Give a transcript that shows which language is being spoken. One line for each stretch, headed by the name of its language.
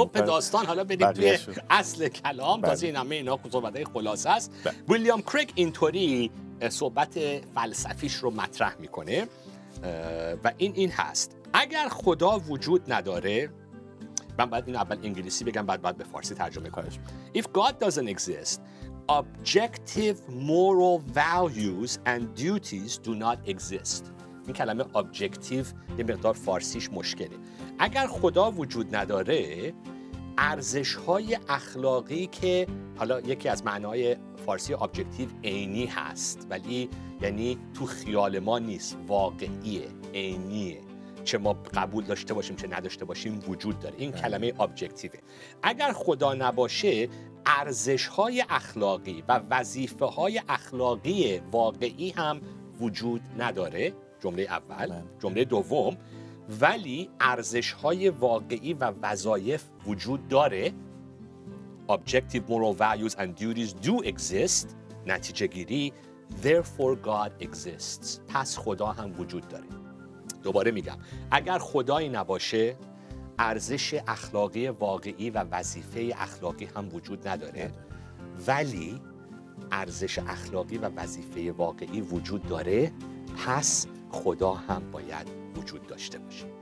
Persian: لپ داستان، حالا بریم توی اصل کلام. بله. تازه این همه اینا صحبت های خلاصه است. بله. ویلیام کریک اینطوری صحبت فلسفیش رو مطرح میکنه و این هست: اگر خدا وجود نداره، من باید این اول انگلیسی بگم بعد به فارسی ترجمه کنم.
English: If God doesn't exist, objective moral values and duties do not exist.
Persian: این کلمه objective یه مقدار فارسیش مشکله. اگر خدا وجود نداره، ارزش‌های اخلاقی که حالا یکی از معنای فارسی objective عینی هست، ولی یعنی تو خیال ما نیست، واقعیه، عینیه، چه ما قبول داشته باشیم چه نداشته باشیم وجود داره. این کلمه objective. اگر خدا نباشه، ارزش‌های اخلاقی و وظیفه‌های اخلاقی واقعی هم وجود نداره. جمله اول. جمله دوم: ولی ارزش‌های واقعی و وظایف وجود داره.
English: Objective moral values and duties do exist.
Persian: نتیجه گیری:
English: therefore God exists.
Persian: پس خدا هم وجود داره. دوباره میگم: اگر خدایی نباشه، ارزش اخلاقی واقعی و وظیفه اخلاقی هم وجود نداره، ولی ارزش اخلاقی و وظیفه واقعی وجود داره، پس خدا هم باید وجود داشته باشه.